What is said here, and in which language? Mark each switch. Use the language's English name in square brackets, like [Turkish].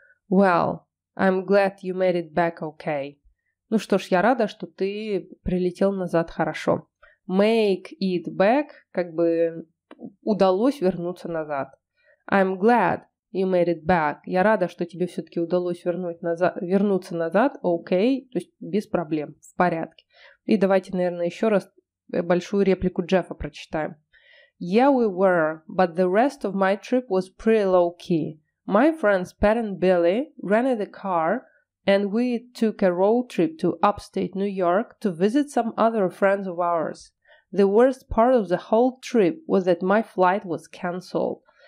[English] Well, I'm glad you made it back okay. [Russian] Ну что ж, я рада, что ты прилетел назад хорошо. [English] Make it back, [Russian] как бы удалось вернуться назад. [English] I'm glad you made it back. [Russian] Я рада, что тебе все-таки удалось вернуться назад. Okay, то есть без проблем, в порядке. И давайте, наверное, еще раз большую реплику Джеффа прочитаем. [English] Yeah, we were, but the rest of my trip was pretty low-key. My friends Pat and Billy rented a car, and we took a road trip to upstate New York to visit some other friends of ours. The worst part of the whole trip was that my flight was cancelled.